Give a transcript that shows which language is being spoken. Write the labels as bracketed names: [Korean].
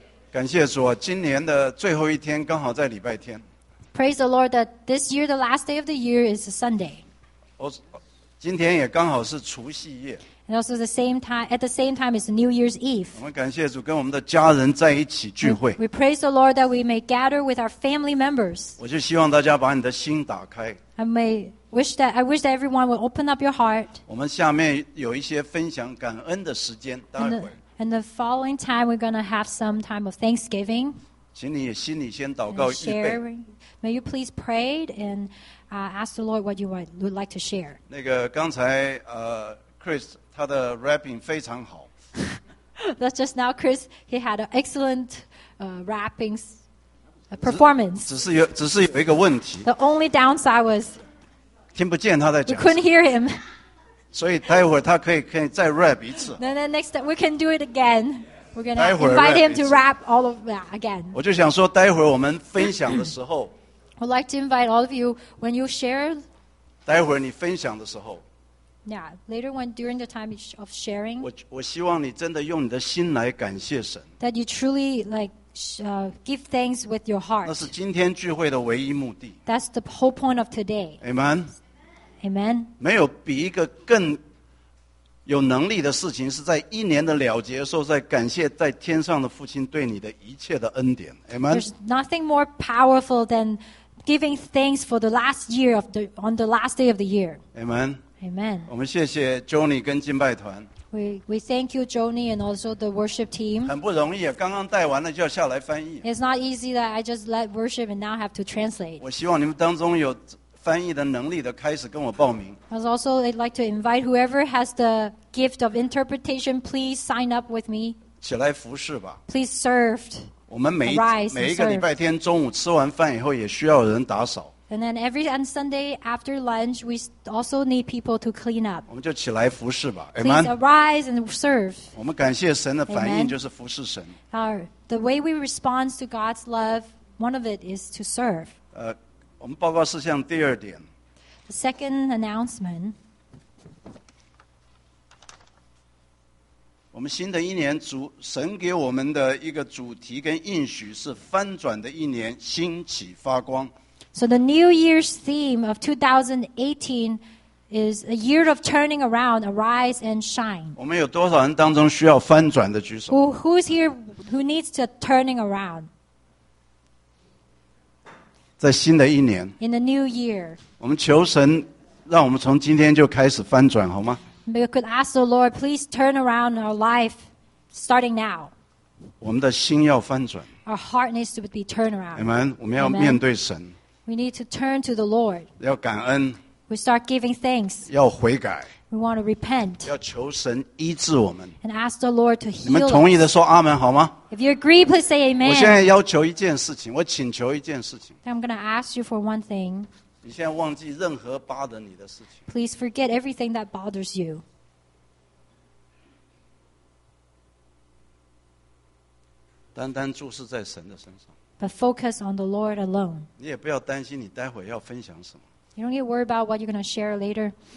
[Chinese] 感谢主，今年的最后一天刚好在礼拜天。 [English] Praise the Lord that this year, the last day of the year is a Sunday. [Chinese] 今天也刚好是除夕夜。 [English] And also at the same time is New Year's Eve. [Chinese] 我们感谢主，跟我们的家人在一起聚会。 [English] We praise the Lord that we may gather with our family members. [Chinese] 我就希望大家把你的心打开。 [English] I wish that everyone will open up your heart. [Chinese] 我们下面有一些分享感恩的时间，待会。 [English] And the following time, we're going to have some time of thanksgiving. [Chinese] 请你心里先祷告预备。 [English] May you please pray and ask the Lord what you would like to share. [Chinese] 那个刚才Chris 他的 rapping 非常好。 [English] That's just now, Chris. He had an excellent rapping performance. [Chinese] 只是有一个问题。 [English] The only downside was [Chinese] 听不见他在讲。 [English] We couldn't hear him. [Chinese] 所以待会儿他可以再 rap 一次。 [English] Then next time we can do it again. We're gonna invite him to rap all of that again. [Chinese] 我就想说，待会儿我们分享的时候。 [English] I'd like to invite all of you when you share. [Chinese] 待会儿你分享的时候。 [English] Yeah, later when during the time of sharing. [Chinese] 我希望你真的用你的心来感谢神。 [English] That you truly like give thanks with your heart. [Chinese] 那是今天聚会的唯一目的。 [English] That's the whole point of today. Amen. Amen. [Chinese] 没有比一个更有能力的事情是在一年的了结的时候在感谢在天上的父亲对你的一切的恩典。 [English] Amen. There's nothing more powerful than giving thanks for the last year on the last day of the year. Amen. Amen. [Chinese] 我们谢谢 Johnny 跟敬拜团。 [English] We thank you, Johnny, and also the worship team. [Chinese] 很不容易，刚刚带完了就要下来翻译。 [English] It's not easy that I just led worship and now have to translate. [Chinese] 我希望你们当中有翻译的能力的开始跟我报名。 [English] I'd also like to invite whoever has the gift of interpretation, please sign up with me. [Chinese] 起来服侍吧。 [English] Please serve. [Chinese] 我们每一个礼拜天中午吃完饭以后也需要人打扫。 [English] And then every Sunday after lunch, we also need people to clean up. [Chinese] 我们就起来服侍吧。 [English] Please arise and serve. [Chinese] 我们感谢神的反应就是服侍神。 [English] The way we respond to God's love, one of it is to serve. [Chinese] 我们报告事项第二点。 [English] The second announcement. [Chinese] 我们新的一年主神给我们的一个主题跟应许是翻转的一年，兴起发光。 [English] So the New Year's theme of 2018 is a year of turning around, arise and shine. [Chinese] 我们有多少人当中需要翻转的举手 [English] ？Who is here who needs to turning around? [Chinese] 在新的一年 [English] In the new year, [Chinese] 我们求神让我们从今天就开始翻转好吗 [English] We could ask the Lord, please turn around our life starting now. [Chinese] 我们的心要翻转 [English] Our heart needs to be turned around. [Chinese] Amen. 我们要面对神 [English] We need to turn to the Lord. [Chinese] 要感恩 [English] We start giving thanks. [Chinese] 要悔改 [English] We want to repent. [Chinese] 要求神医治我们 [English] And ask the Lord to heal us. [Chinese] 你们同意的说阿们好吗 [English] If you agree, please say amen. [Chinese] 我现在要求一件事情，我请求一件事情。 [English] I'm going to ask you for one thing. [Chinese] 你现在忘记任何 bother 你的事情。 [English] Please forget everything that bothers you. [Chinese] 单单注视在神的身上。 [English] But focus on the Lord alone. [Chinese] 你也不要担心你待会要分享什么。 [English] You don't need to worry about what you're going to share later.